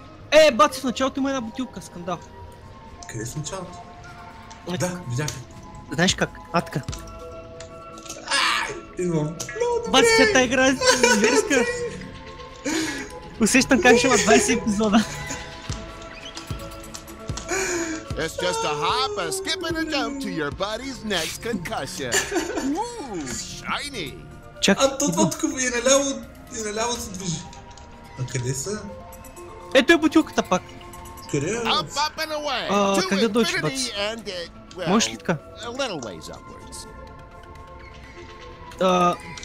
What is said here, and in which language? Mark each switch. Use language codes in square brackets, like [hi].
[bg] Е, бати, в началото има една бутилка, скандал. Къде е в началото? Да, видях. Знаеш как? Атка. Ай, имам. Бати, сега тази игра е зверска. Усещам как ще има 20 епизода. [en] It's just a hop, a skip, and a jump to your buddy's next concussion. Woo, shiny! [bg] Чак, а то тук и наляво се движи. А къде са? Ето е бутилката пак. Къде е? [en] Up, up and away! [bg] А, как да дочи, бац? Можеш ли така? [en] A little ways upwards.